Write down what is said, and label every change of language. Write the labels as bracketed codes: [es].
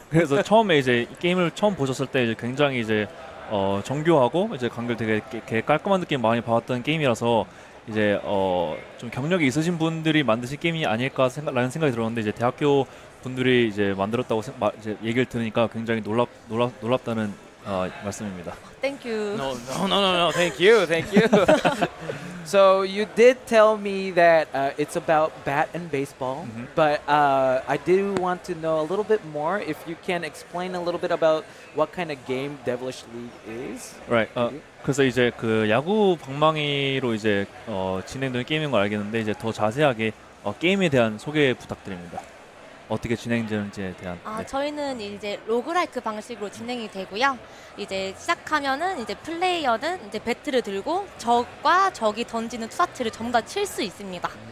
[ko] 그래서 처음에 이제 게임을 처음 보셨을 때 이제 굉장히 이제 정교하고 이제 관객 되게 깔끔한 느낌 많이 받았던 게임이라서 이제 좀 경력이 있으신 분들이 만드신 게임이 아닐까 라는 생각이 들었는데 이제 대학교 분들이 이제 만들었다고 이제 얘기를 들으니까 굉장히 놀랍다는 말씀입니다. [en] Thank you. No. Thank you. So you did tell me that it's about bat and baseball, mm-hmm. but I do want to know a little bit more. If you can explain a little bit about what kind of game Devilish League is. Right. [ko] 그래서 이제 그 야구 방망이로 이제 진행되는 게임인 걸 알겠는데 이제 더 자세하게 게임에 대한 소개 부탁드립니다. 어떻게 진행되는지에 대한. 아, 네. 저희는 이제 로그라이크 방식으로 진행이 되고요. 이제 시작하면은 이제 플레이어는 이제 배트를 들고 적과 적이 던지는 투사체를 전부 다 칠 수 있습니다.